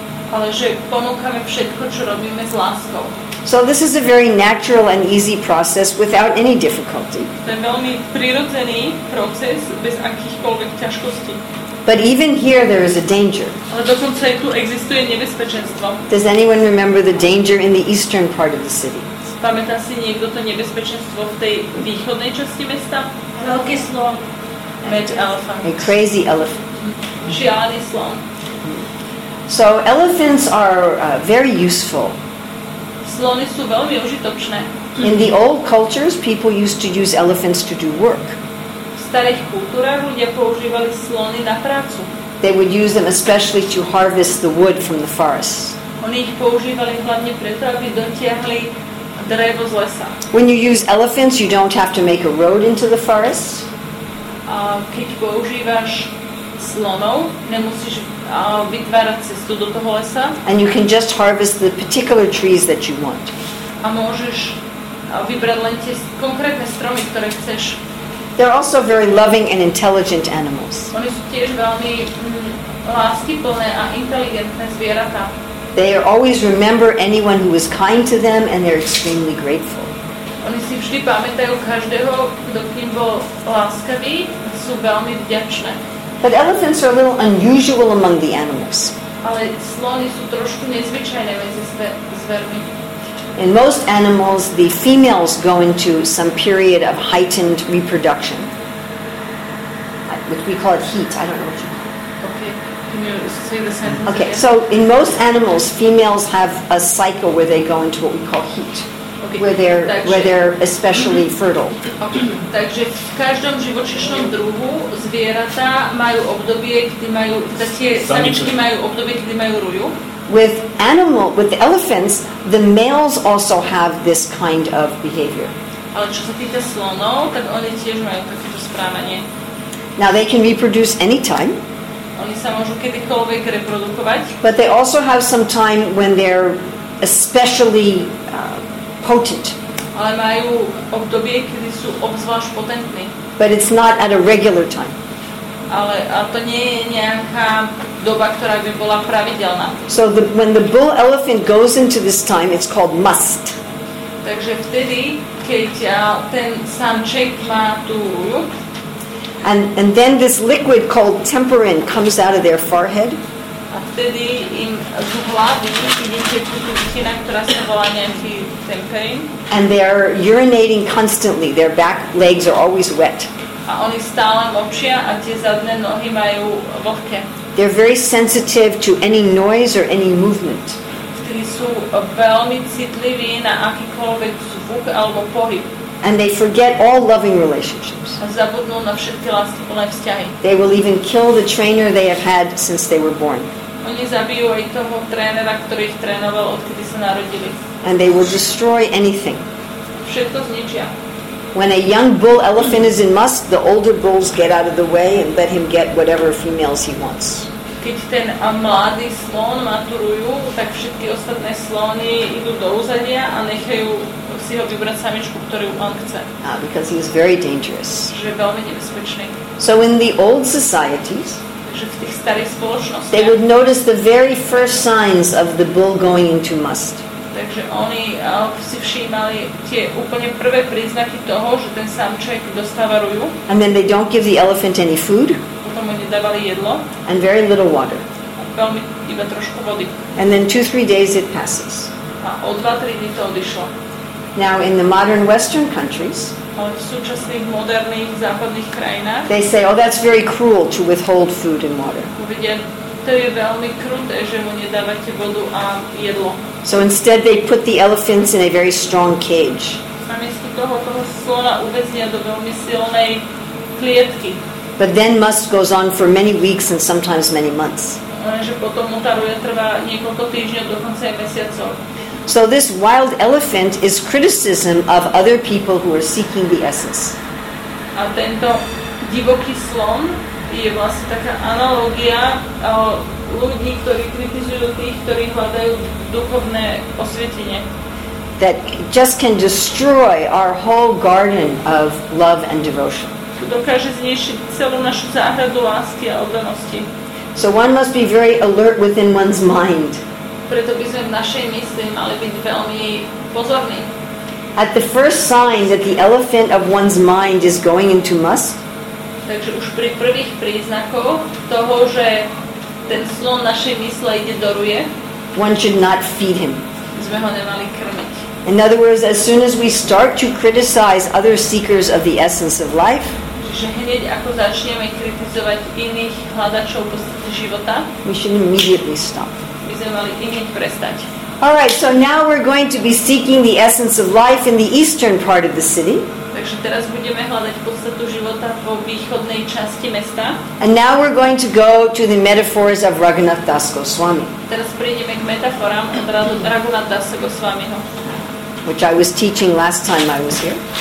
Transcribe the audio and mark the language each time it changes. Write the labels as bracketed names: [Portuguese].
[Slovak] Ale že ponúkame všetko, čo robíme s láskou. [English] So this is a very natural and easy process without any difficulty. [Slovak] To je veľmi prirodzený proces bez akýchkoľvek ťažkostí. [English] But even here there is a danger. [Slovak] Ale dokonca aj tu existuje nebezpečenstvo. [English] Does anyone remember the danger in the eastern part of the city? [Slovak] Pamätá si niekto to nebezpečenstvo v tej východnej časti mesta? Veľký slon. [English] Med elephant. A crazy elephant. [Slovak] Šialený slon. [English] So elephants are very useful. [Slovak] Slony sú veľmi užitočné. [English] In the old cultures, people used to use elephants to do work. [Slovak] V starých kultúrach ľudia používali slony na prácu. [English] They would use them especially to harvest the wood from the forests. [Slovak] Oni ich používali hlavne preto, aby dotiahli drevo z lesa. [English] When you use elephants, you don't have to make a road into the forest. [Slovak] Keď používaš slonov, nemusíš vytvárať cestu do toho lesa. [English] And you can just harvest the particular trees that you want. [Slovak] A môžeš vybrať len tie konkrétne stromy, ktoré chceš. [English] They're also very loving and intelligent animals. [Slovak] Oni sú tiež veľmi láskyplné a inteligentné zvieratá. [English] They always remember anyone who was kind to them and they're extremely grateful. [Slovak] Oni si vždy pamätajú každého, kto kým bol láskavý, sú veľmi vďačné. [English] But elephants are a little unusual among the animals. [Slovak] Ale slony sú trošku nezvyčajné medzi zvermi. [English] In most animals, the females go into some period of heightened reproduction, which we call it heat. I don't know what you call it. Okay, can you say the sentence okay. again? So in most animals, females have a cycle where they go into what we call heat, okay. where they're especially fertile. Okay. [Slovak] Takže v každom živočišnom druhu zvieratá majú obdobie, kde majú, samičky majú obdobie, kde majú ruju. [English] With elephants, the males also have this kind of behavior. [Slovak] Ale čo sa týka slonov, tak oni tiež majú takéto správanie. [English] Now they can reproduce any time. [Slovak] Oni sa môžu kedykoľvek reprodukovať. [English] But they also have some time when they're especially potent. [Slovak] Ale majú obdobie, kedy sú obzvlášť potentní. [English] But it's not at a regular time. [Slovak] Ale a to nie je nejaká doba, ktorá by bola pravidelná. [English] So when the bull elephant goes into this time, it's called must. [Slovak] Takže vtedy, keď ten samček má tú ruju. [English] And then this liquid called temperin comes out of their forehead. [Slovak] A vtedy im z hlavy ide tekutina, ktorá sa volá nejaký temperin. [English] And they're urinating constantly. Their back legs are always wet. [Slovak] A oni stále močia a tie zadné nohy majú vlhké. [English] They're very sensitive to any noise or any movement. [Slovak] Vtedy sú veľmi citliví na akýkoľvek zvuk alebo pohyb. [English] And they forget all loving relationships. [Slovak] A zabudnú na všetky láskyplné vzťahy. [English] They will even kill the trainer they have had since they were born. [Slovak] Oni zabijú aj toho trénera, ktorý ich trénoval, odkedy sa narodili. [English] And they will destroy anything. [Slovak] Všetko zničia. [English] When a young bull elephant is in must, the older bulls get out of the way and let him get whatever females he wants. [Slovak] Keď ten mladý slon má tú ruju, tak všetky ostatné slony idú do úzadia a nechajú si ho vybrať samičku, ktorú on chce. [English] Because he is very dangerous. [Slovak] Že je veľmi nebezpečný. [English] So in the old societies, [Slovak] že v tých starých spoločnostiach, [English] they would notice the very first signs of the bull going into must. [Slovak] Takže oni si všímali tie úplne prvé príznaky toho, že ten samček dostáva ruju. [English] And then they don't give the elephant any food. [Slovak] Potom mu nedávali jedlo. [English] And very little water. [Slovak] Veľmi iba trošku vody. [English] And then 2-3 days it passes. [Slovak] A o 2-3 dní to odišlo. [English] Now in the modern Western countries, [Slovak] ale v súčasných moderných západných krajinách, [English] they say, oh, that's very cruel to withhold food and water. [Slovak] To je veľmi kruté, že mu nedávate vodu a jedlo. [English] So instead they put the elephants in a very strong cage. [Slovak] A miesto toho slona uväznia do veľmi silnej klietky. [English] But then must goes on for many weeks and sometimes many months. [Slovak] Lenže potom mu tá ruja trvá niekoľko týždňov, dokonca aj mesiacov. [English] So this wild elephant is criticism of other people who are seeking the essence. [Slovak] A tento divoký slon je vlastne taká analogia ľudí, ktorí kritizujú tých, ktorí hľadajú duchovné osvietenie. [English] That just can destroy our whole garden of love and devotion. [Slovak] Dokáže zničiť celú našu záhradu lásky a oddanosti. [English] So one must be very alert within one's mind. [Slovak] Preto by sme v našej mysli mali byť veľmi pozorní. [English] At the first sign that the elephant of one's mind is going into must, [Slovak] takže už pri prvých príznakoch toho, že ten slon našej mysle ide do ruje, [English] one should not feed him. [Slovak] Sme ho nemali krmiť. [English] In other words, as soon as we start to criticize other seekers of the essence of life, [Slovak] že hneď ako začneme kritizovať iných hľadačov podstaty života, [English] we should immediately stop. [Slovak] My sme mali hneď prestať. [English] All right, so now we're going to be seeking the essence of life in the eastern part of the city. [Slovak] Takže teraz budeme hľadať podstatu života vo východnej časti mesta. [English] And now we're going to go to the metaphors of Raghunath Das Goswami. [Slovak] Teraz prejdeme k metaforám od Raghunatha Das Goswamiho. [English] which I was teaching last time I was here.